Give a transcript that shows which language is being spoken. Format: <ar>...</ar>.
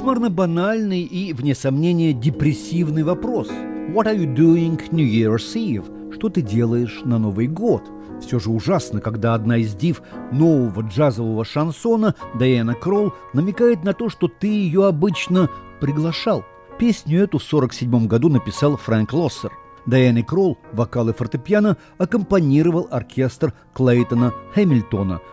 <ru>Банальный и, вне сомнения, депрессивный вопрос.</ru> <en>What are you doing New Year's Eve?</en> <ru>Что ты делаешь на Новый год? Все же ужасно, когда одна из див нового джазового шансона, Дайана Кролл, намекает на то, что ты ее обычно приглашал. Песню эту в 47-м году написал Фрэнк Лоссер. Дайане Кролл, вокал и фортепиано, аккомпанировал оркестр Клейтона Хэмильтона.</ru>